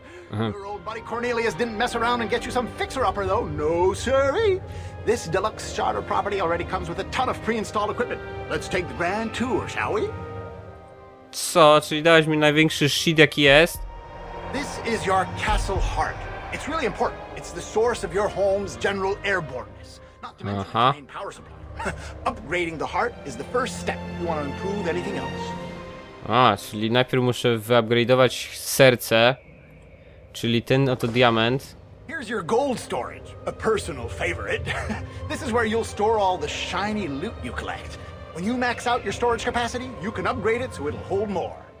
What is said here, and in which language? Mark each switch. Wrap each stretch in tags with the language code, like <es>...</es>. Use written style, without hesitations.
<en>Your old buddy Cornelius didn't mess around and get you some fixer upper though. No sorry. This deluxe charter property already comes with a ton of pre-installed equipment. Let's take the grand tour, shall we?</en> <pl>Co? Czyli dałeś mi największy shit jaki jest? This is your castle heart. It's really important. It's the source of your home's general airborneness. Not to mention the main power supply. Upgrading the heart is the first step. You want to improve anything else? A, czyli najpierw muszę wyupgrade'ować serce. Czyli ten oto diament.</pl> <en>Here's your gold storage, a personal favorite. This is where you'll store all the shiny loot you collect. When you max out your storage capacity, you can upgrade it so it'll hold more.</en>